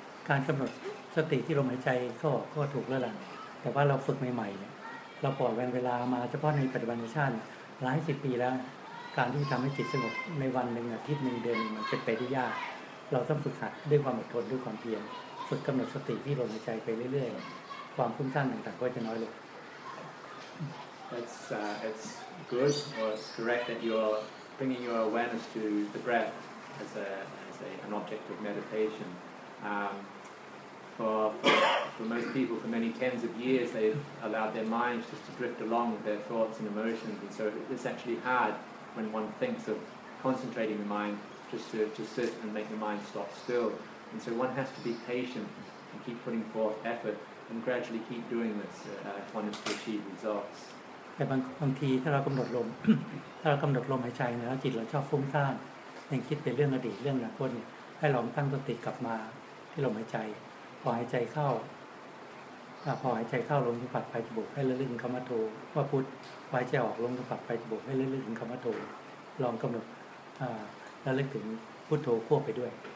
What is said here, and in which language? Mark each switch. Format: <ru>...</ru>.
<th>การกำหนดสติที่ลมหายใจก็ถูกแล้วล่ะแต่ว่าเราฝึกใหม่ๆเนี่ยเราปล่อยเวลามาเฉพาะในปัจจุบันชาติหลายสิบปีแล้วการที่ทำให้จิตสงบในวันหนึ่งอาทิตย์หนึ่งเดือนมันเป็นไปได้ยากเราต้องฝึกหัดด้วยความอดทนด้วยความเพียรฝึกกำหนดสติที่ลมหายใจไปเรื่อยๆความฟุ้งซ่านต่างๆก็จะน้อยลง</th> <en>It's good or it's correct that you're bringing your awareness to the breath as an object of meditation. For most people, for many tens of years, they've allowed their minds just to drift along with their thoughts and emotions, and so it's actually hard when one thinks of concentrating the mind just to sit and make the mind stop still. And so one has to be patient and keep putting forth effort and gradually keep doing this if one is to achieve results.</en> <th>แต่บางทีถ้าเรากำหนดลม ถ้าเรากำหนดลมหายใจแล้วจิตเราชอบฟุ้งซ่านยังคิดเป็นเรื่องอดีตเรื่องอนาคตเนี่ยให้ลองตั้งสติกลับมาที่ลมหายใจพอหายใจเข้าพอหายใจเข้าลมสัมผัสปลายจมูกให้ระลึกถึงคำว่าโทว่าพุทธหายใจออกลมสัมผัสปลายจมูกให้ระลึกถึงคำว่าโทลองกำหนดระลึกถึงพุทโธควบไปด้วย</th>